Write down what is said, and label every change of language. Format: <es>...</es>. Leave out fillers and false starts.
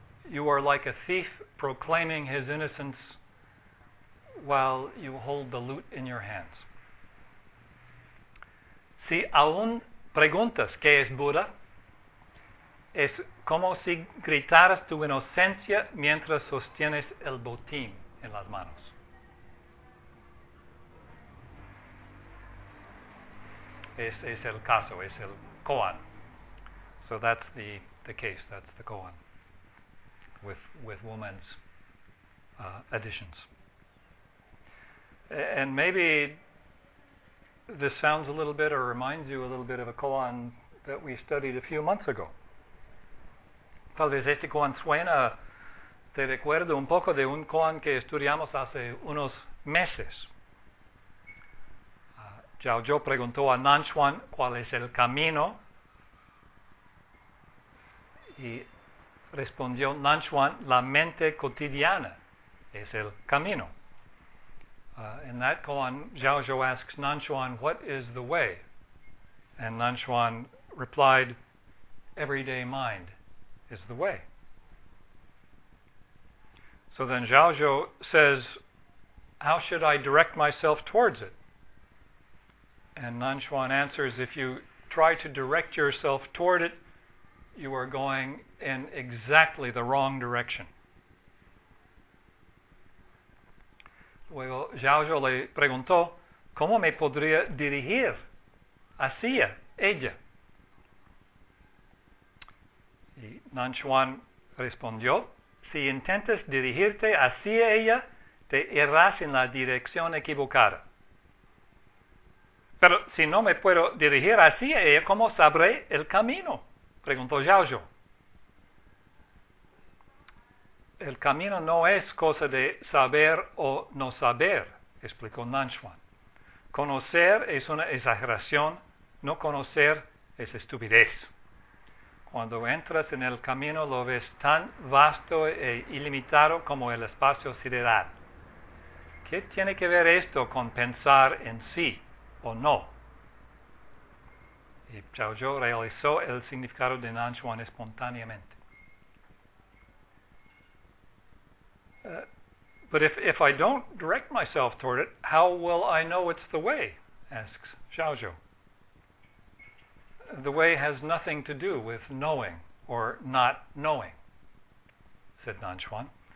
<en>You are like a thief proclaiming his innocence while you hold the loot in your hands.</en> <es>Si aún preguntas qué es Buda, es como si gritaras tu inocencia mientras sostienes el botín en las manos. Es el caso, es el koan.</es> <en>So that's the case, that's the koan. With woman's additions. And maybe this sounds a little bit or reminds you a little bit of a koan that we studied a few months ago.</en> <es>Tal vez este koan suena, te recuerdo un poco de un koan que estudiamos hace unos meses. Zhao Zhou preguntó a Nanchuan cuál es el camino. Y respondió Nanchuan, la mente cotidiana es el camino.</es> <en>In that koan, Zhao Zhou asks Nanchuan, what is the way? And Nanchuan replied, everyday mind is the way. So then Zhao Zhou says, how should I direct myself towards it? And Nanchuan answers, if you try to direct yourself toward it, you are going in exactly the wrong direction.</en> <es>Luego, Zhao Zhou le preguntó, ¿cómo me podría dirigir hacia ella? Y Nanchuan respondió, si intentas dirigirte hacia ella, te irás en la dirección equivocada. Pero si no me puedo dirigir hacia ella, ¿cómo sabré el camino? Preguntó Zhao Zhou. El camino no es cosa de saber o no saber, explicó Nanchuan. Conocer es una exageración, no conocer es estupidez. Cuando entras en el camino lo ves tan vasto e ilimitado como el espacio sideral. ¿Qué tiene que ver esto con pensar en sí o no? Y Zhao Zhou realizó el significado de Nanchuan espontáneamente.</es> <en>But if I don't direct myself toward it, how will I know it's the way? Asks Zhao Zhou. The way has nothing to do with knowing or not knowing, said Nanchuan.</en>